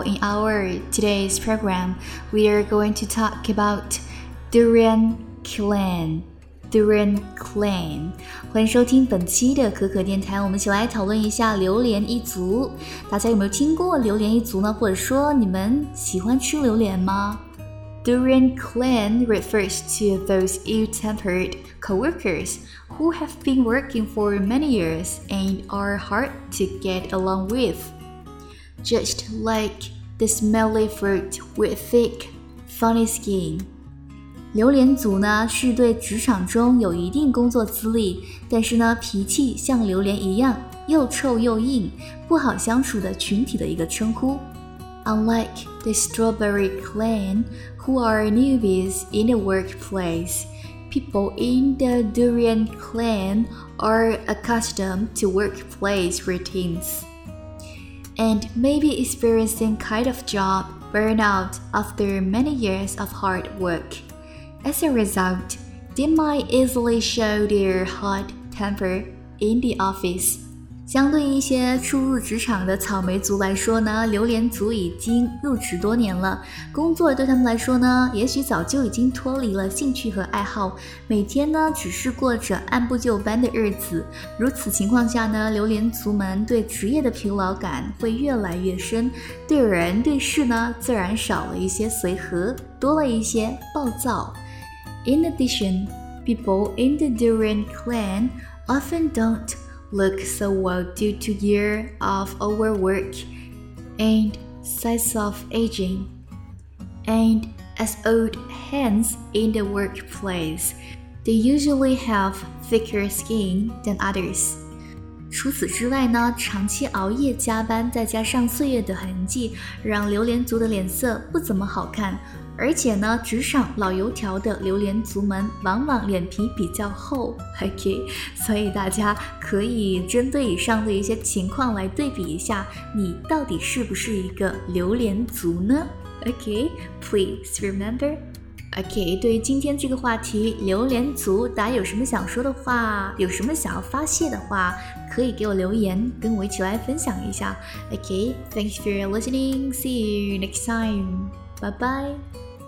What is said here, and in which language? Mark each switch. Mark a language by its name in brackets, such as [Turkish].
[English] In our today's program, we are going to talk about Durian Clan. Durian Clan. [Chinese] 欢迎收听本期的可可电台。我们一起来讨论一下榴莲一族。大家有没有听过榴莲一族呢？或者说你们喜欢吃榴莲吗？ [English] Durian Clan refers to those ill-tempered co-workers who have been working for many years and are hard to get along with. Just like the smelly fruit with thick, funny skin. [Chinese] 榴莲族呢是对职场中有一定工作资历，但是呢脾气像榴莲一样又臭又硬，不好相处的群体的一个称呼。 [English] Unlike the strawberry clan, who are newbies in the workplace, people in the durian clan are accustomed to workplace routines and maybe experiencing kind of job burnout after many years of hard work. As a result, they might easily show their hot temper in the office. [Chinese] 相对一些初入职场的草莓族来说呢，榴莲族已经入职多年了，工作对他们来说呢，也许早就已经脱离了兴趣和爱好，每天呢只是过着按部就班的日子。如此情况下呢，榴莲族们对职业的疲劳感会越来越深，对人对事呢自然少了一些随和，多了一些暴躁。 [English] In addition, people in the durian clan often don't look so well due to year of overwork and signs of aging. And as old hands in the workplace, they usually have thicker skin than others. [Chinese] 除此之外呢，长期熬夜加班再加上岁月的痕迹，让榴莲族的脸色不怎么好看。而且呢，职场老油条的榴莲族们往往脸皮比较厚 ，OK， 所以大家可以针对以上的一些情况来对比一下，你到底是不是一个榴莲族呢 ？OK， [English] please remember。 [Chinese] OK， 对于今天这个话题，榴莲族，大家有什么想说的话，有什么想要发泄的话，可以给我留言，跟我一起来分享一下。OK， [English] thanks for listening. See you next time. Bye-bye.